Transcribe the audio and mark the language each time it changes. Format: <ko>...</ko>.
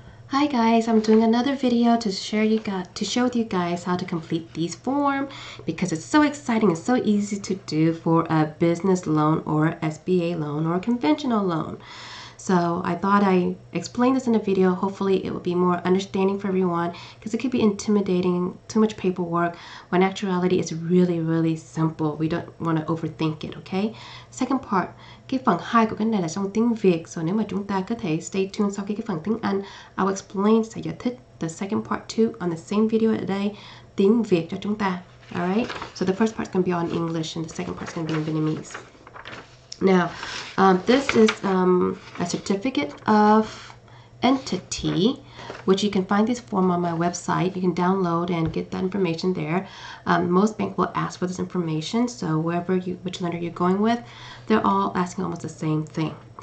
<en>Hi guys, I'm doing another video to show with you guys how to complete these forms because it's so exciting and so easy to do for a business loan or a SBA loan or a conventional loan. So I thought I explain this in a video. Hopefully it will be more understanding for everyone because it could be intimidating, too much paperwork, when actuality is really, really simple. We don't want to overthink it, okay? Second part,</en> <vi>cái phần hai của cái này là trong tiếng Việt. So nếu mà chúng ta có thể</vi> <en>stay tuned</en> <vi>sau khi cái phần tiếng Anh,</vi> <en>I'll explain</en> <vi>sẽ giải thích</vi> <en>the second part too on the same video today,</en> <vi>tiếng Việt cho chúng ta.</vi> <en>Alright, so the first part's going to be on English and the second part's going to be in Vietnamese. Now, this is a certificate of entity, which you can find this form on my website. You can download and get that information there. Most banks will ask for this information, so which lender you're going with, they're all asking almost the same thing.</en>